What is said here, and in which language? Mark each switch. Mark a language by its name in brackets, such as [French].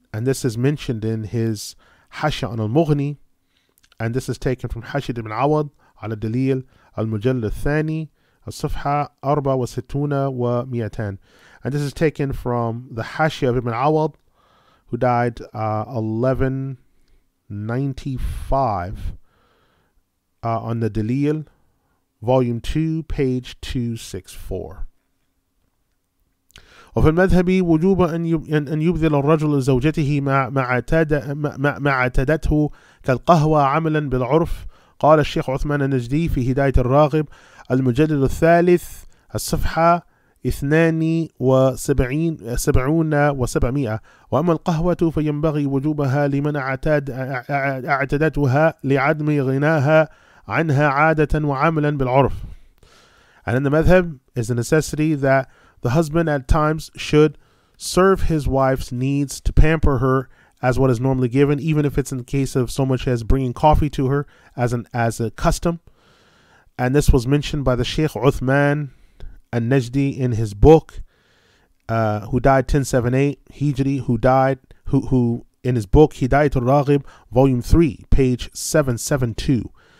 [English] And this is mentioned in his Hashya on al-Mughni, and this is taken from Hashid ibn Awad ala Dalil [Arabic] al-Mujalla al-Thani al-Sufha 64 wa 200. [English] And this is taken from the Hashya of Ibn Awad, who died 1195, on the Dalil, volume 2, page 264. [Arabic] وفي المذهب وجوب أن يبذل الرجل لزوجته ما اعتدته كالقهوة عملا بالعرف قال الشيخ عثمان النجدي في هداية الراغب المجلد الثالث الصفحة 72 و700 وأما القهوة فينبغي وجوبها لمن اعتدتها لعدم غناها عنها عادة وعملا بالعرف. [English] And in the madhab is the necessity that the husband at times should serve his wife's needs to pamper her as what is normally given, even if it's in the case of so much as bringing coffee to her as a custom. And this was mentioned by the Shaykh Uthman al-Najdi in his book, who died 1078 Hijri, who in his book, Hidayat al-Raghib, volume 3, page 772.